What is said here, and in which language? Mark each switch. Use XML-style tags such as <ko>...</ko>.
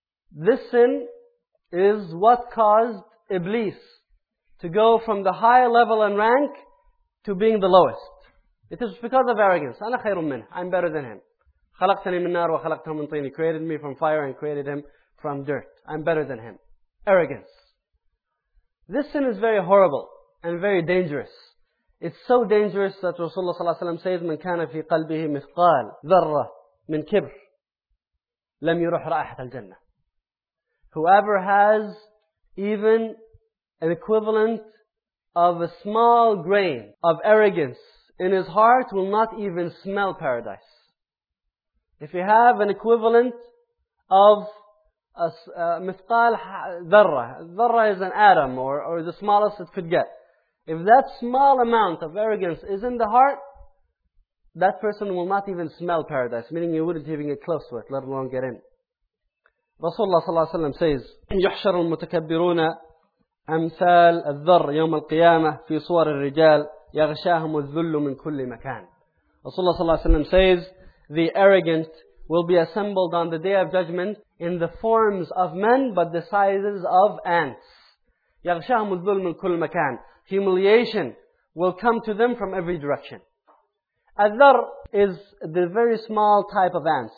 <en>This sin is what caused Iblis to go from the high level and rank to being the lowest. It is because of arrogance.</en> <ar>أنا خير منه.</ar> <en>I'm better than him.</en> <ar>خلقتني من نار وخلقته من طين.</ar> <en>He created me from fire and created him from dirt. I'm better than him. Arrogance. This sin is very horrible and very dangerous. It's so dangerous that Rasulullah sallallahu alaihi wasallam says,</en> <ar>"من كان في قلبه مثقال ذرة من كبر لم يروح رائحة الجنة."</ar> <en>Whoever has even an equivalent of a small grain of arrogance in his heart will not even smell paradise. If you have an equivalent of a mithqal dharra, dharra is an atom or the smallest it could get. If that small amount of arrogance is in the heart, that person will not even smell paradise, meaning you wouldn't even get close to it, let alone get in. Rasulullah sallallahu alaihi wasallam says,</en> <ar>يحشر المتكبرون أمثال الذر يوم القيامة في صور الرجال يغشاهم الذل من كل مكان.</ar> <en>Rasulullah sallallahu alaihi wasallam says, the arrogant will be assembled on the day of judgment in the forms of men, but the sizes of ants.</en> <ar>يغشاهم الذل من كل مكان.</ar> <en>Humiliation will come to them from every direction. الذر is the very small type of ants.</en>